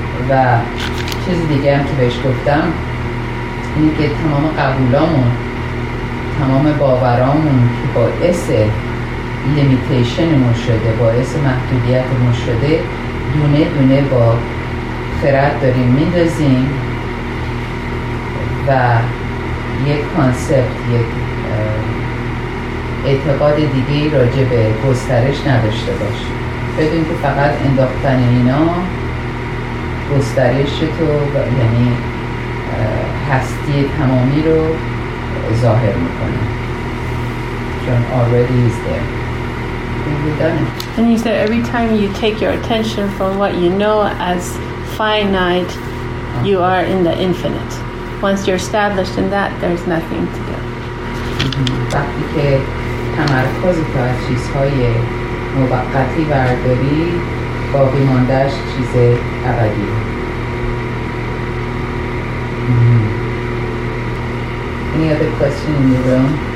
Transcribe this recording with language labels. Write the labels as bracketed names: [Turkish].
[Persian] و چیز دیگه هم که بهش گفتم اینه که تمام قبولامون، تمام باورامون که باعث لیمیتیشنمون شده، باعث محدودیتمون شده، دونه دونه با خرد داریم میدازیم و یک کانسپت، یک اعتقاد دیگه راجع به گسترش نداشته باش. بدون که فقط انداختن اینا گسترش تو، یعنی هستی تمامی رو ظاهر میکنه، چون [English] already is there. We've done it. And he said every time you take your attention from what you know as finite, you are in the infinite. Once you're established in that, there's nothing to do. [Persian] وقتی که تمرکز تو از چیزهای موقتی برداری، باقی ماندهش چیز ابدی. [English] Any other question in the room?